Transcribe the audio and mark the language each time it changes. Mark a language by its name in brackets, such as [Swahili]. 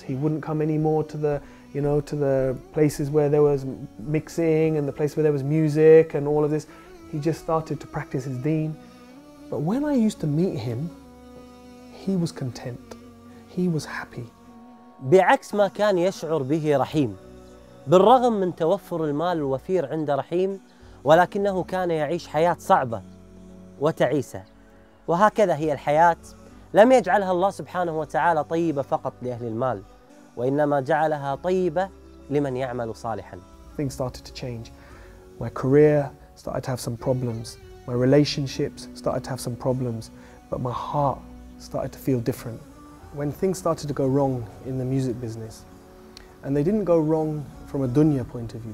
[English] He wouldn't come anymore to the, you know, to the places where there was mixing and the place where there was music and all of this. He just started to practice his deen. But when I used to meet him, he was content. He was happy. [Arabic] بعكس ما كان يشعر به رحيم. بالرغم من توفر المال الوفير عند رحيم، ولكنه كان يعيش حياة صعبة وتعيسة. وهكذا هي الحياة. لم يجعلها الله سبحانه وتعالى طيبة فقط لأهل المال، وإنما جعلها طيبة لمن يعمل صالحا. [English] Things started to change. My career started to have some problems. My relationships started to have some problems, but my heart started to feel different. When things started to go wrong in the music business, and they didn't go wrong from a dunya point of view.